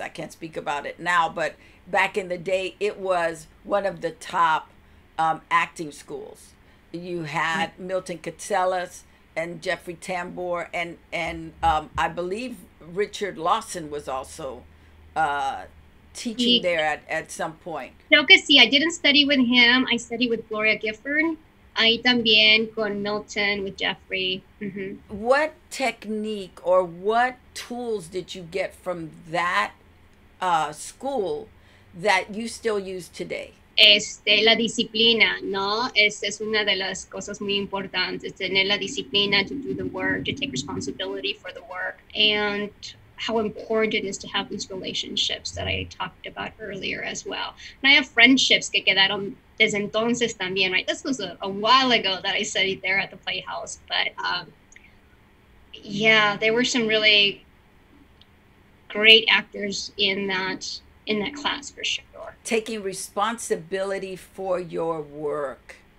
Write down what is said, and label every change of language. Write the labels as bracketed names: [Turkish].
[English] I can't speak about it now. But back in the day, it was one of the top acting schools. You had Milton Katselas and Jeffrey Tambor, and I believe Richard Lawson was also teaching there at some point. [Spanish] No, que sí, [English] I didn't study with him. I studied with Gloria Gifford. [Spanish] Ahí también con Milton, [English] with Jeffrey. Mm-hmm. What technique or what tools did you get from that school that you still use today? [Spanish] La disciplina, ¿no? Es una de las cosas muy importantes, tener la disciplina [English] to do the work, to take responsibility for the work, and how important it is to have these relationships that I talked about earlier as well. And I have friendships [Spanish] que quedaron desde entonces también, [English] right? This was a while ago that I studied there at the Playhouse, but yeah, there were some really great actors in that class for sure. Taking responsibility for your work.